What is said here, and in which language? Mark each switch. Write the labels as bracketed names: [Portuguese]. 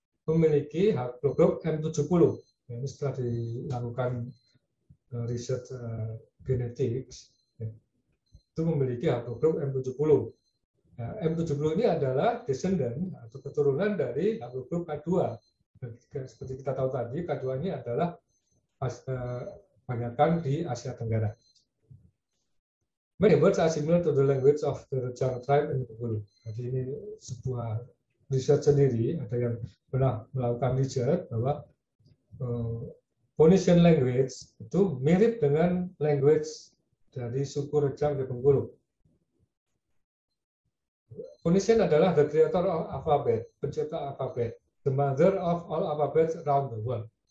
[Indonesian] Memiliki produk M70. Ini setelah dilakukan riset genetik, itu memiliki haplogroup M70. Nah, M70 ini adalah descendant atau keturunan dari haplogroup K2. Seperti kita tahu tadi, K2 ini adalah banyakkan di Asia Tenggara. [English] Many words are similar to the language of the Rajang tribe in Bengkulu. [Indonesian] Jadi ini sebuah riset sendiri, ada yang pernah melakukan riset bahwa Phoenician language itu mirip dengan language dari suku Rejang di Bengkulu. [English] Phoenician [Indonesian] adalah [English] the creator of alphabet, [Indonesian] pencipta alphabet, [English] the mother of all alphabets around the world.